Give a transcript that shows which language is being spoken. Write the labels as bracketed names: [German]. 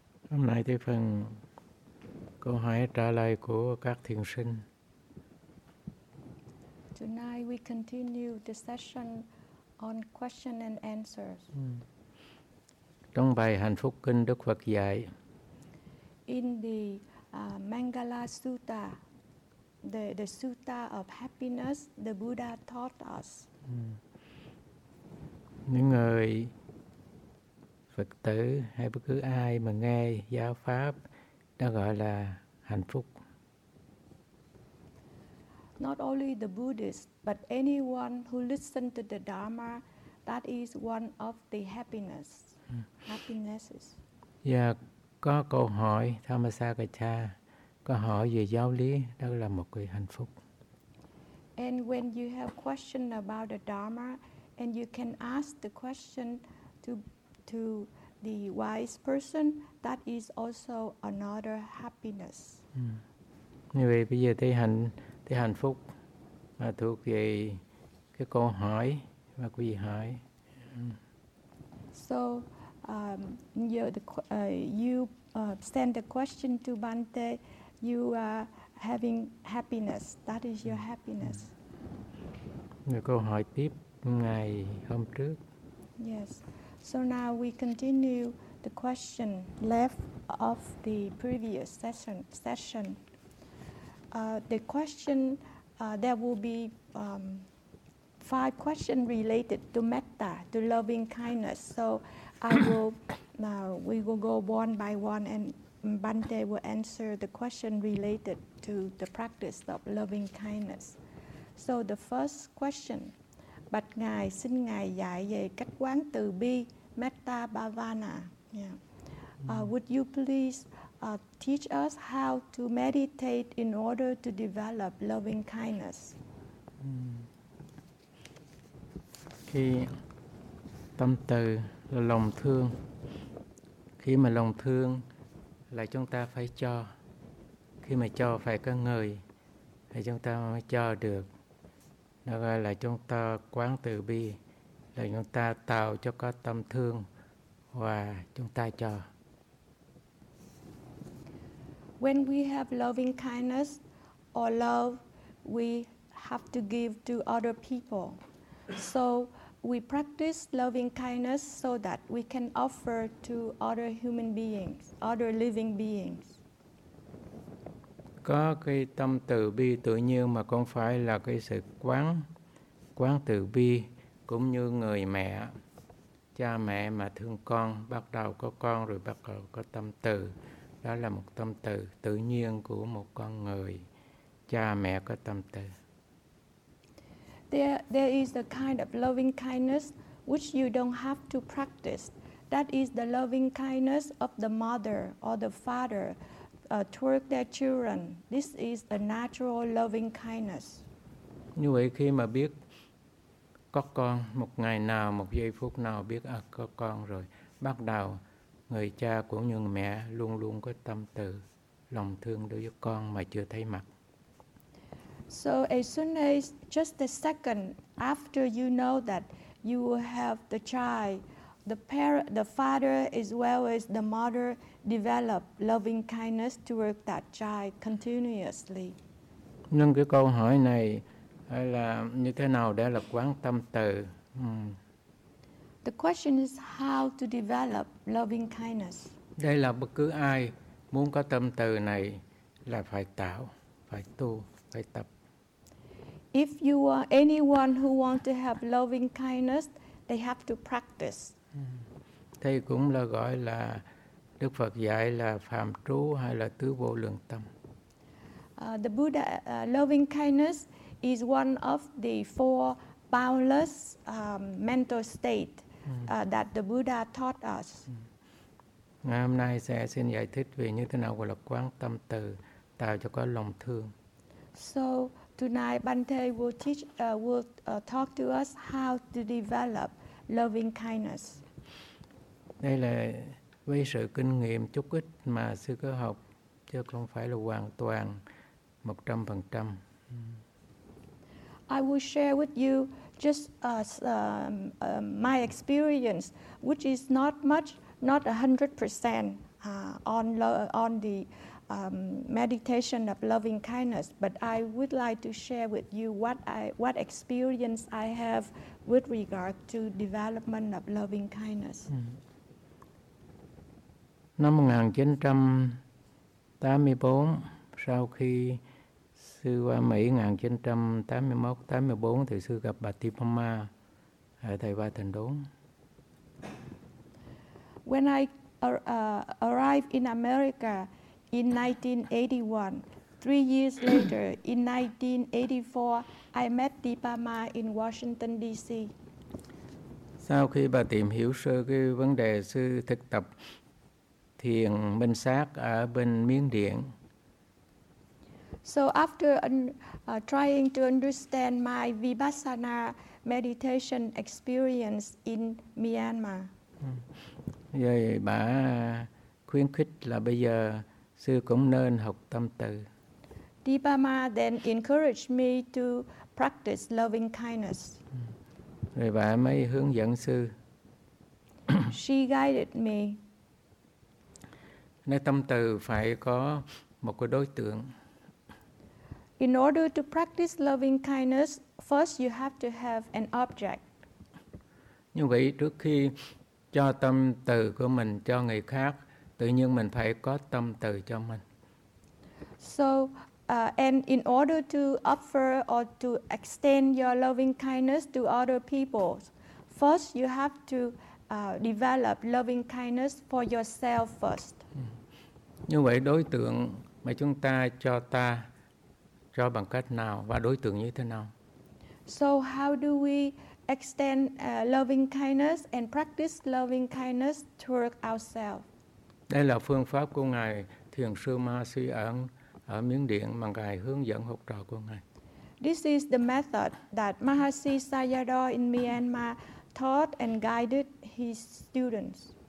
[Vietnamese] Hôm nay tôi phần câu hỏi trả lời của các thiền sinh. [English] Tonight we continue the session on question and answers. [Vietnamese] Trong bài hạnh phúc kinh Đức Phật dạy. [English] In the Mangala Sutta, the Sutta of happiness, the Buddha taught us. [Vietnamese] Những người Phật tử hay bất cứ ai mà nghe giáo pháp đó gọi là hạnh phúc. [English] Not only the Buddhist, but anyone who listens to the Dharma, that is one of the happinesses. [Vietnamese] Và có câu hỏi Thamasagacha, có hỏi về giáo lý, đó là một cái hạnh phúc. [English] And when you have question about the Dharma, and you can ask the question to the wise person, that is also another happiness. [Vietnamese] Như vậy bây giờ thì hạnh phúc mà thuộc về cái câu hỏi mà quý vị hỏi. [English] So you send the question to Bhante, you are having happiness, that is your happiness. [Vietnamese] Người câu hỏi tiếp ngày hôm trước. [English] Yes. So now we continue the question left of the previous session. The question, there will be five questions related to metta, to loving kindness. So I will, now we will go one by one and Bhante will answer the question related to the practice of loving kindness. So the first question, [Vietnamese] Bạch Ngài xin Ngài dạy về cách quán từ bi. [English] Metta Bhavana. Yeah. Would you please teach us how to meditate in order to develop loving kindness? [Vietnamese] Khi tâm từ là lòng thương. Khi mà lòng thương là chúng ta phải cho. Khi mà cho phải có người thì chúng ta mới cho được. Đó là chúng ta quán từ bi. Là chúng ta tạo cho có tâm thương và chúng ta cho. [English] When we have loving kindness or love, we have to give to other people. So we practice loving kindness so that we can offer to other human beings, other living beings. [Vietnamese] Có cái tâm từ bi tự nhiên mà không phải là cái sự quán từ bi. Cũng như người mẹ, cha mẹ mà thương con, bắt đầu có con rồi bắt đầu có tâm từ. Đó là một tâm từ tự nhiên của một con người, cha mẹ có tâm từ. [English] There is a kind of loving kindness which you don't have to practice. That is the loving kindness of the mother or the father toward their children. This is a natural loving kindness. [Vietnamese] Như vậy khi mà biết có con, một ngày nào, một giây phút nào biết à, có con rồi. Bắt đầu, người cha cũng như mẹ luôn luôn có tâm từ, lòng thương đối với con mà chưa thấy mặt. [English] So as soon as just the second after you know that you will have the child, the parent, the father as well as the mother develop loving kindness toward that child continuously. [Vietnamese] Nhưng cái câu hỏi này hay là như thế nào để là quán tâm từ. [English] The question is how to develop loving kindness. [Vietnamese] Đây là bất cứ ai muốn có tâm từ này là phải tạo, phải tu, phải tập. [English] If you are anyone who want to have loving kindness, they have to practice. [Vietnamese] Thì cũng là gọi là Đức Phật dạy là phàm trú hay là tứ vô lượng tâm. [English] The Buddha loving kindness is one of the four boundless mental state that the Buddha taught us. [Vietnamese] Ngày hôm nay sẽ xin giải thích về như thế nào gọi là quán tâm từ, tạo cho có lòng thương. [English] So tonight Bhante will teach talk to us how to develop loving kindness. [Vietnamese] Đây là với sự kinh nghiệm chút ít mà sư cứ học chứ không phải là hoàn toàn 100%. [English] I will share with you just my experience, which is not much, not 100%, on the meditation of loving kindness, but I would like to share with you what experience I have with regard to development of loving kindness. [Vietnamese] Năm 1984, sau khi sư qua Mỹ 1981-84, thì sư gặp bà Tipama, thầy Ba Thành Đốn. [English] When I arrived in America in 1981, 3 years later, in 1984, I met Tipama in Washington, D.C. [Vietnamese] Sau khi bà tìm hiểu sơ cái vấn đề sư thực tập thiền minh sát ở bên Miến Điện. [English] So after trying to understand my Vipassana meditation experience in Myanmar. [Vietnamese] Vậy bà khuyến khích là bây giờ sư cũng nên học tâm từ. [English] Dipama then encouraged me to practice loving kindness. [Vietnamese] Rồi bà mới hướng dẫn sư. [English] She guided me. [Vietnamese] Nói tâm từ phải có một cái đối tượng. [English] In order to practice loving kindness, first you have to have an object. [Vietnamese] Như vậy trước khi cho tâm từ của mình cho người khác, tự nhiên mình phải có tâm từ cho mình. [English] So, and in order to offer or to extend your loving kindness to other people, first you have to develop loving kindness for yourself first. [Vietnamese] Như vậy đối tượng mà chúng ta cho ta cho bằng cách nào và đối tượng như thế nào? [English] So how do we extend loving kindness and practice loving kindness toward ourselves? [Vietnamese] Đây là phương pháp của ngài Thiền sư Ma Sĩ Ẩn ở Miến Điện mà ngài hướng dẫn học trò của ngài. [English] This is the method that Mahasi Sayadaw in Myanmar taught and guided his students.